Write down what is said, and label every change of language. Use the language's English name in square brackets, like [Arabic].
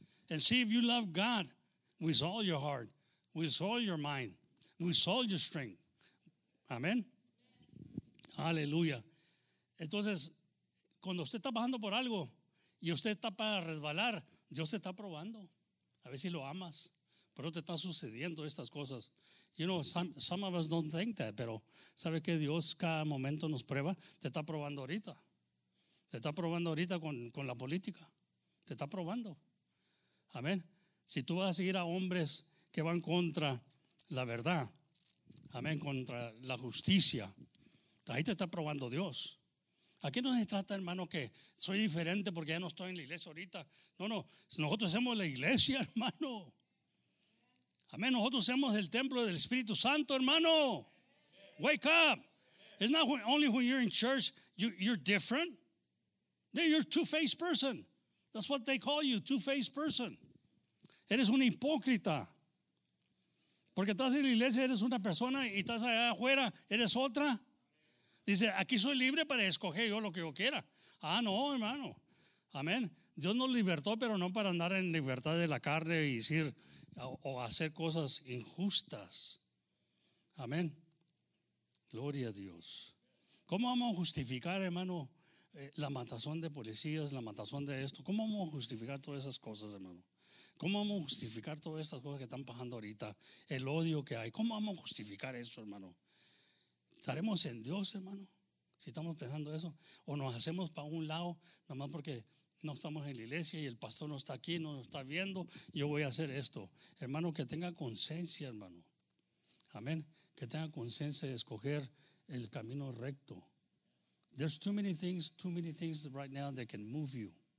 [English] And see if you love God with all your heart, with all your mind, with all your strength. [Spanish] Amén. Aleluya. Entonces, cuando usted está pasando por algo y usted está para resbalar, Dios te está probando. A ver si lo amas. Pero te están sucediendo estas cosas. [English] You know, some of us don't think that, [Spanish] pero sabe que Dios cada momento nos prueba. Te está probando ahorita. Te está probando ahorita con la política. Te está probando. Amén. Si tú vas a seguir a hombres que van contra la verdad, amén, contra la justicia, ahí te está probando Dios. Aquí no se trata, hermano, que soy diferente porque ya no estoy en la iglesia ahorita. No, nosotros somos la iglesia, hermano. Amén, nosotros somos el templo del Espíritu Santo, hermano. [English] Wake up. It's not only when you're in church, you're different. You're a two-faced person. That's what they call you, two-faced person. [Spanish] Eres un hipócrita. Porque estás en la iglesia, eres una persona, y estás allá afuera, eres otra. Dice, aquí soy libre para escoger yo lo que yo quiera. Ah, no, hermano. Amén. Dios nos libertó, pero no para andar en libertad de la carne y decir o hacer cosas injustas. Amén. Gloria a Dios. ¿Cómo vamos a justificar, hermano, la matazón de policías, la matazón de esto. ¿Cómo vamos a justificar todas esas cosas, hermano? ¿Cómo vamos a justificar todas esas cosas que están pasando ahorita? El odio que hay. ¿Cómo vamos a justificar eso, hermano? ¿Estaremos en Dios, hermano? Si estamos pensando eso. ¿O nos hacemos para un lado, nomás porque no estamos en la iglesia y el pastor no está aquí, no nos está viendo? Yo voy a hacer esto. Hermano, que tenga conciencia, hermano. Amén. Que tenga conciencia de escoger el camino recto. [English] There's too many things right now that can move you.